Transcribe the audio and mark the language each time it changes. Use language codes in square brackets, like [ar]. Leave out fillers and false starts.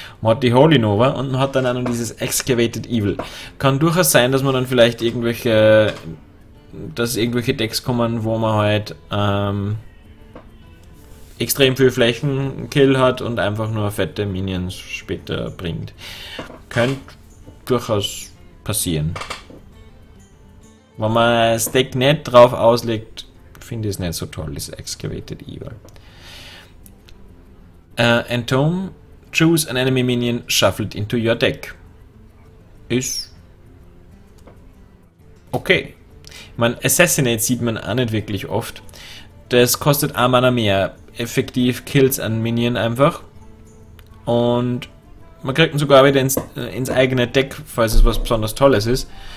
[de] Man hat die Holy Nova und man hat dann auch noch dieses Excavated Evil. Kann durchaus sein, dass man dann vielleicht irgendwelche Decks kommen, wo man halt extrem viel Flächenkill hat und einfach nur fette Minions später bringt. Könnte durchaus passieren. Wenn man das Deck nicht drauf auslegt, finde ich es nicht so toll, das Excavated Evil. [en] Entomb, choose an enemy minion, shuffle it into your deck. [de] Ist okay. Ich meine, Assassinate sieht man auch nicht wirklich oft. Das kostet ein Mana mehr. Effektiv kills an Minion einfach. Und man kriegt ihn sogar wieder ins eigene Deck, falls es was besonders Tolles ist.